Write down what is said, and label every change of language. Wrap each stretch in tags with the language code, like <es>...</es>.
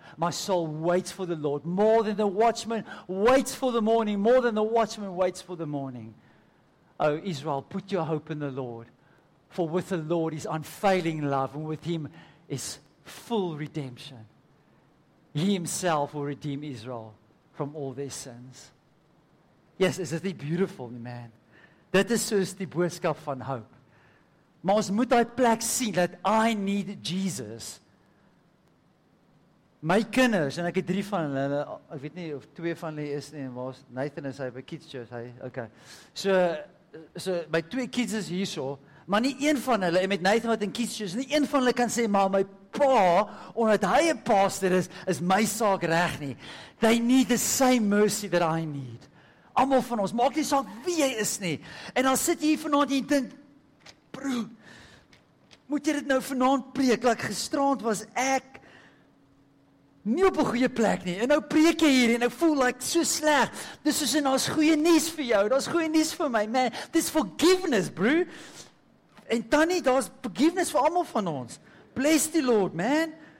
<en>My soul waits for the Lord, more than the watchman waits for the morning, more than the watchman waits for the morning. O Israel, put your hope in the Lord. For with the Lord is unfailing love, and with Him is full redemption. He Himself will redeem Israel from all their sins. Yes, is it beautiful, man?</en> <af>Dit is soos die boodskap van hoop. Maar ons moet daai plek sien dat</af> <en>I need Jesus.</en> <af>My kinders, en ek het 3 van hulle, ek weet nie of 2 van hulle is nie, en waar is Nathan is hy by kids church, hy, okay. So my 2 kids is hier so, maar nie een van hulle, en met Nathan wat in kids church, nie een van hulle kan sê, maar my pa, omdat hy 'n pastor is, is my saak reg nie.</af> <en>They need the same mercy that I need.</en> <af>Almal van ons, maak nie saak wie jy is nie. En dan sit jy hier vanavond en jy dink, bro, moet jy dit nou vanavond preek, like gisteraand was ek, nie op 'n goeie plek nie, en nou preek jy hier, en ek voel like so sleg, dis soos, en daar's goeie nuus vir jou, daar's goeie nuus vir my, man, dis forgiveness, bro, en tannie, daar's forgiveness vir allemaal van ons,</af> <en>bless the Lord, man,</en>